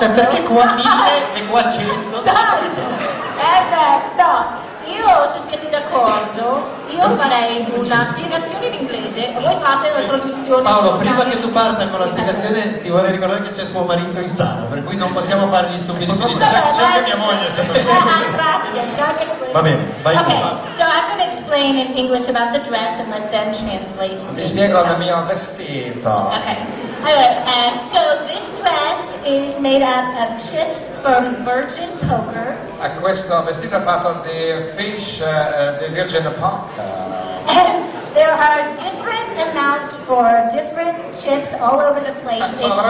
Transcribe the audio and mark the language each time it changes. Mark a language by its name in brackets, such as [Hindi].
[Italian] Cioè, perché qua mille e qua cento? No. Io, se siete d'accordo, io farei una spiegazione in inglese e voi fate la traduzione. Paolo, prima che tu parta con la spiegazione ti vorrei ricordare che c'è suo marito in sala, per cui non possiamo fare gli stupidi. C'è anche mia moglie, se per me. Va bene, vai tu. [English] So I can explain in English about the dress and let them translate. [Italian] Mi spiego il mio vestito. [English] So this dress is made up of chips from virgin poker. [Italian] A questo vestito fatto di fish di virgin poker. [English] And there are different amounts for different chips all over the place.